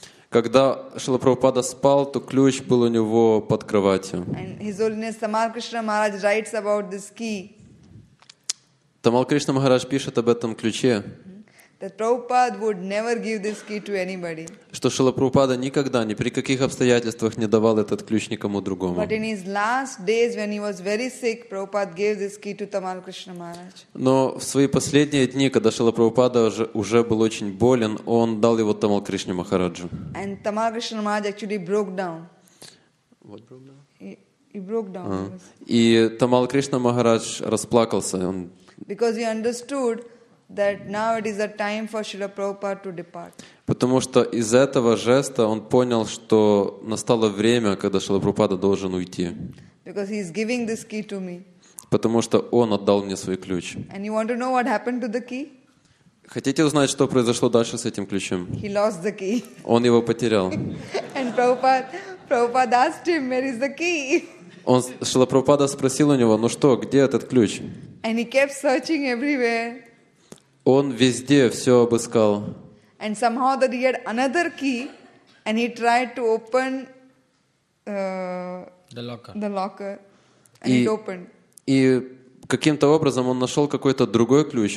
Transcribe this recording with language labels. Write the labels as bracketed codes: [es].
[ru] Когда Шрила Прабхупада спал, то ключ был у него под кроватью. [en] And His Holiness Tamalkrishna Maharaj writes about this key. [ru] Tamalkrishna Maharaj пишет об этом ключе. [en] That Prabhupada would never give this key to anybody. [ru] Что Шрила Прабхупада никогда ни при каких обстоятельствах не давал этот ключ никому другому. [en] But in his last days, when he was very sick, Prabhupada gave this key to Tamalkrishna Maharaj. [ru] Но в свои последние дни, когда Шрила Прабхупада уже был очень болен, он дал его Тамалкришне Махараджу. [en] And Tamalkrishna Maharaj actually broke down. What broke down? He broke down. [ru] И Тамалкришна Махарадж расплакался. [en] Because he understood that now it is a time for Srila Prabhupada to depart. [ru] Потому что из этого жеста он понял, что настало время, когда Шрила Прабхупада должен уйти. [en] Because he is giving this key to me. [ru] Потому что он отдал мне свой ключ. [en] And you want to know what happened to the key? [ru] Хотите узнать, что произошло дальше с этим ключом? [en] He lost the key. [ru] Он его потерял. [en] And Prabhupada asked him, "Where is the key?" [ru] Он Шрила Прабхупада спросил у него, "Ну что, где этот ключ?" [en] And he kept searching everywhere. [ru] Он везде все обыскал. [en] And somehow that he had another key, and he tried to open the locker, and it opened. [ru] И каким-то образом он нашел какой-то другой ключ.